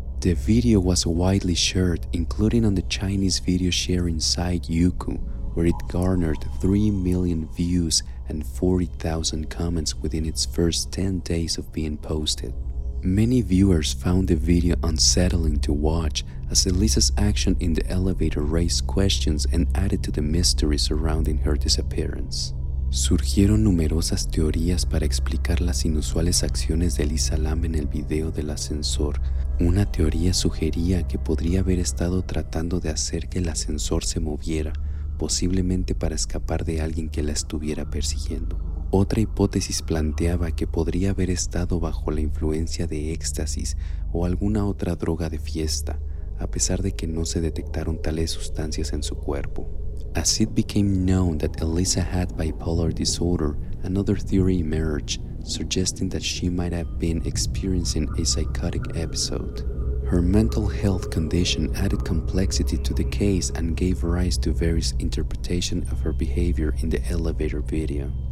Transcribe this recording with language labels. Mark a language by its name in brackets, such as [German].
[English] The video was widely shared, including on the Chinese video sharing site Youku, where it garnered 3 million views and 40,000 comments within its first 10 days of being posted. Many viewers found the video unsettling to watch, as Elisa's action in the elevator raised questions and added to the mystery surrounding her disappearance. [Spanish] Surgieron numerosas teorías para explicar las inusuales acciones de Elisa Lam en el video del ascensor. Una teoría sugería que podría haber estado tratando de hacer que el ascensor se moviera, posiblemente para escapar de alguien que la estuviera persiguiendo. Otra hipótesis planteaba que podría haber estado bajo la influencia de éxtasis o alguna otra droga de fiesta, a pesar de que no se detectaron tales sustancias en su cuerpo. [English] As it became known that Elisa had bipolar disorder, another theory emerged, suggesting that she might have been experiencing a psychotic episode. Her mental health condition added complexity to the case and gave rise to various interpretations of her behavior in the elevator video.